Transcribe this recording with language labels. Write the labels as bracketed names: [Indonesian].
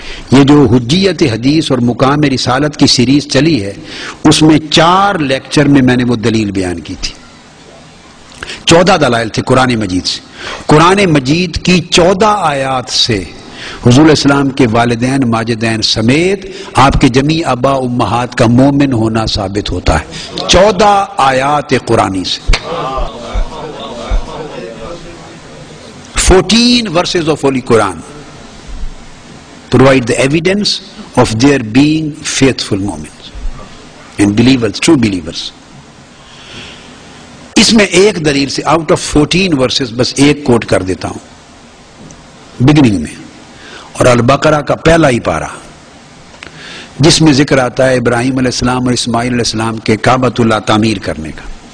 [Urdu] یہ جو حجیت حدیث اور مقام رسالت کی سیریز چلی ہے, اس میں 4 لیکچر میں میں نے وہ دلیل بیان کی تھی. 14 دلائل تھے قرآن مجید سے. قرآن مجید کی 14 آیات سے حضور علیہ السلام کے والدین ماجدین سمیت آپ کے جمیع آبا امہات کا مومن ہونا ثابت ہوتا ہے. 14 آیات قرآنی سے, [English] 14 verses of holy Quran provide the evidence of their being faithful mu'mins and believers, true believers. [Urdu] اس میں ایک دلیل سے [English] out of 14 verses [Urdu] بس ایک کوٹ کر دیتا ہوں بگننگ میں, اور البقرہ کا پہلا ہی پارہ جس میں ذکر آتا ہے ابراہیم علیہ السلام اور اسماعیل علیہ السلام کے کعبۃ اللہ تعمیر کرنے کا.